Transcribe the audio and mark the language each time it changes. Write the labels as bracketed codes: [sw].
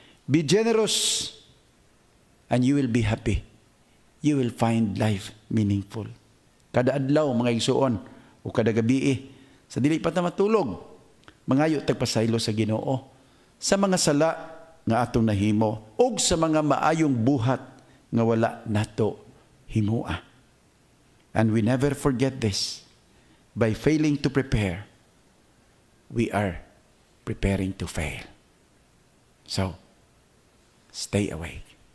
[en] Be generous and you will be happy. You will find life meaningful. [ceb] Kada adlaw mga igsoon o kada gabi sa dili pa ta matulog, mangayo tag pasaylo sa Ginoo sa mga sala nga atong nahimo ug sa mga maayong buhat nga wala nato himua. [en] And we never forget this. By failing to prepare, we are preparing to fail. So, stay awake.